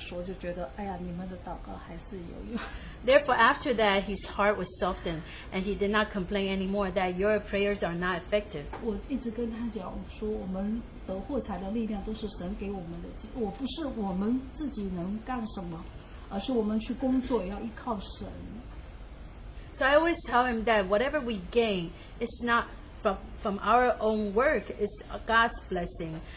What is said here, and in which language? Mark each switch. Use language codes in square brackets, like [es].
[zh] 然后呢,就是他就后来就心有点软了,就是没有再这样说,就觉得,哎呀,你们的祷告还是有用。 [en] Therefore, after that, his heart was softened, and he did not complain anymore that your prayers are not effective. [zh] 我一直跟他讲,说我们得货财的力量都是神给我们的,我不是我们自己能干什么。 [en] So I always tell him that whatever we gain, it's not from our own work, it's God's blessing.